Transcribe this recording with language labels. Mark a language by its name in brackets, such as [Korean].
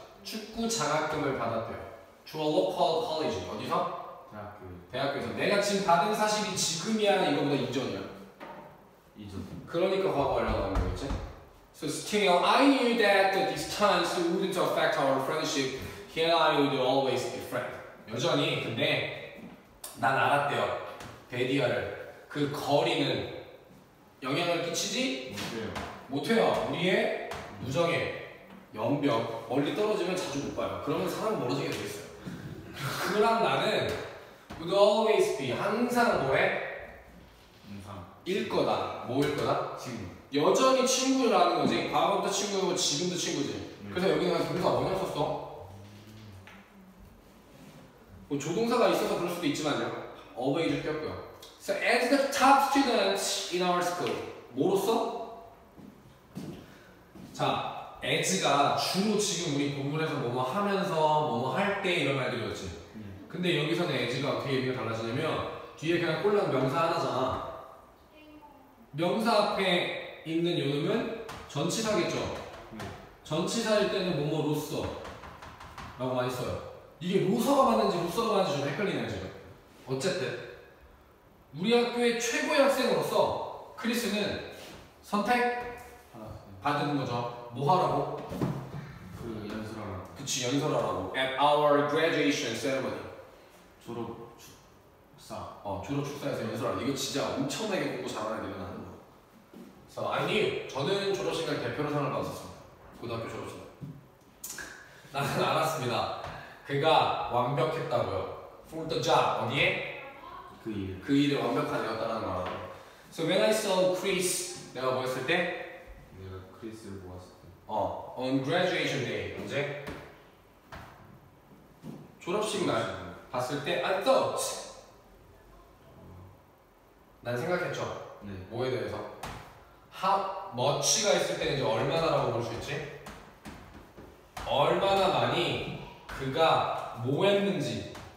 [Korean] 축구 장학금을 받았대요. [English] To a local college. [Korean] 어디서? 대학교. 대학교에서. 내가 지금 받은 사실이 지금이야? 이거보다 이전이야? 이전. 그러니까 과거라고 하는 거겠지? [English] So still, I knew that the distance wouldn't affect our friendship. Here I would always be friend. [Korean] 여전히 근데 난 알았대요. 베디어를. 그 거리는 영향을 끼치지? 못해요. 못해요. 우리의 무정에 연병 멀리 떨어지면 자주 못 봐요. 그러면 사람 멀어지게 돼 있어요. 그럼 나는 [English] would always be [Korean] 항상 뭐해? 항상 일 거다. 뭐일 거다? 친구. 여전히 친구라는 거지. 과거부터 친구고 지금도 친구지. 그래서 여기는 동사 뭐냐 썼어? 뭐 조동사가 있어서 그럴 수도 있지만요. always를 뺐고요. [English] So as the top student in our school, [Korean] 뭐로써? 자. as가 주로 지금 우리 본문에서 뭐뭐 하면서 뭐뭐 할 때 이런 말들이었지. 근데 여기서는 as가 어떻게 의미가 달라지냐면 뒤에 그냥 꼴랑 명사 하나잖아. 명사 앞에 있는 요놈은 전치사겠죠. 전치사일 때는 뭐뭐로써 라고 많이 써요. 이게 로서가 맞는지 로서가 맞는지 좀 헷갈리네요 지금. 어쨌든 우리 학교의 최고의 학생으로서 크리스는 선택 받은 거죠. 뭐 하라고? 그 연설하라고. 그치 연설하라고. [English] At our graduation ceremony. [Korean] 졸업 축사. 졸업 축사에서 연설하라. 이거 진짜 엄청나게 공부 잘하는 애들 하는 거. [English] So I knew. [Korean] 저는 졸업식 날 대표로 상을 받았었습니다. 고등학교 졸업식 날. 나는 알았습니다. 그가 완벽했다고요. [English] For the job. [Korean] 어디에? 그 일. 그 일을 완벽하게 했다는 말하고. [English] So when I saw Chris, [Korean] 내가 보였을 때. 크리스를 모았을 때 [English] On graduation day [Korean] 언제? 졸업식 날 봤을 때 [English] I thought [Korean] 난 생각했죠? 네 뭐에 대해서? How much가 있을 때는 이제 얼마나라고 볼 수 있지? 얼마나 많이 그가 뭐 했는지